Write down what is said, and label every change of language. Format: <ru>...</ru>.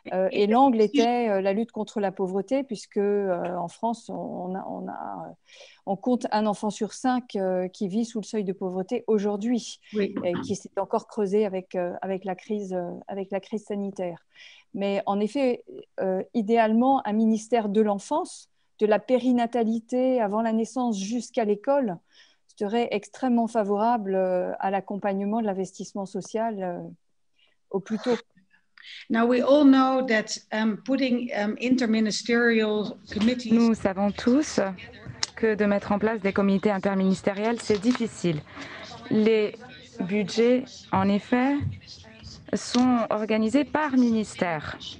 <fr>Et l'angle était la lutte contre la pauvreté, puisque en France, on compte un enfant sur cinq qui vit sous le seuil de pauvreté aujourd'hui, oui. Et qui s'est encore creusé avec la crise sanitaire. Mais en effet, idéalement, un ministère de l'enfance, de la périnatalité avant la naissance jusqu'à l'école, serait extrêmement favorable à l'accompagnement de l'investissement social au plus tôt.</fr> <en>Now we all know that putting interministerial committees.</en> <fr>Nous savons tous que de mettre en place des comités interministériels, c'est difficile. Les budgets, en effet, sont organisés par ministère.</fr>